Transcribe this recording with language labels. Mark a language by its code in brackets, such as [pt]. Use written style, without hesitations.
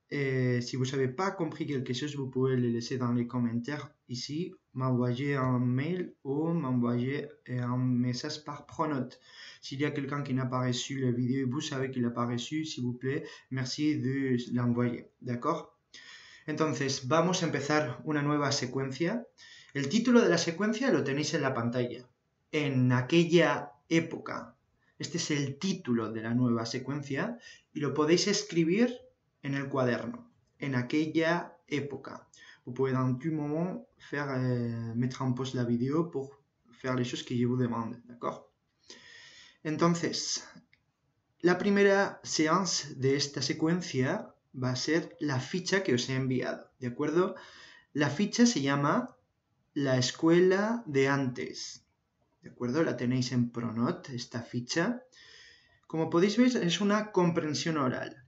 [fr] Et si vous n'avez pas compris quelque chose, vous pouvez le laisser dans les commentaires ici, m'envoyer un mail ou m'envoyer un message par Pronote. S'il y a quelqu'un qui n'a pas reçu la vidéo, vous savez qu'il n'a pas reçu, s'il vous plaît, merci de l'envoyer. D'accord? [es] Entonces, vamos a empezar una nueva secuencia. El título de la secuencia lo tenéis en la pantalla. En aquella época. Este es el título de la nueva secuencia y lo podéis escribir en el cuaderno, en aquella época. [fr] Vous pouvez dans tout moment mettre en pause la vidéo pour faire les choses que je vous demande, ¿d'accord? [es] Entonces, la primera séance de esta secuencia va a ser la ficha que os he enviado, ¿de acuerdo? La ficha se llama La escuela de antes, ¿de acuerdo? La tenéis en Pronote, esta ficha. Como podéis ver, es una comprensión oral.